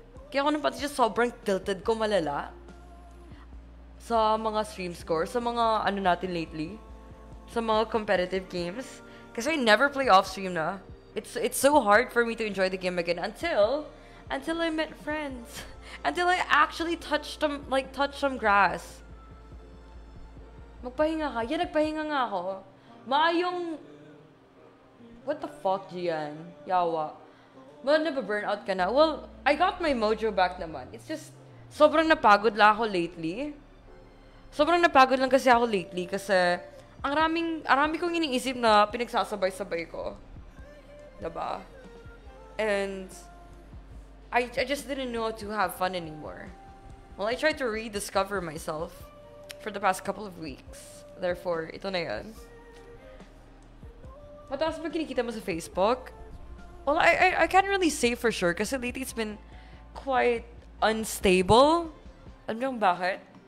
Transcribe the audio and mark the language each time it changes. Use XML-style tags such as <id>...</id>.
<tl>Kaya ako nung pati siya sobrang tilted ko malala sa mga stream scores, sa mga natin lately, sa mga competitive games. Kasi</tl> <en>I never play off-stream na. It's so hard for me to enjoy the game again until I met friends. Until I actually touched some grass.</en> <tl>Magpahinga ka?</tl> <en>Yeah,</en> <tl>nagpahinga nga ako. Maayong...</tl> <en>What the fuck,</en> <tl>Gian? Yawa.</tl> <en>Well,</en> <tl>nababurnout ka na.</tl> <en>Well, I got my mojo back</en> <tl>naman.</tl> <en>It's just,</en> <tl>sobrang napagod lang ako</tl> <en>lately.</en> <tl>sobrang napagod lang kasi ako lately kasi ang raming arami kong iniisip na pinagsasabay-sabay ko. 'Di ba?</tl> <en>And I just didn't know how to have fun anymore. Well, I tried to rediscover myself for the past couple of weeks. Therefore,</en> <tl>ito na 'yan. Mataas ba kinikita mo sa Facebook?</tl> <en>Well, I can't really say for sure</en> <tl>kasi</tl> <en>lately it's been quite unstable.</en> <tl>Alam niyo bakit?</tl>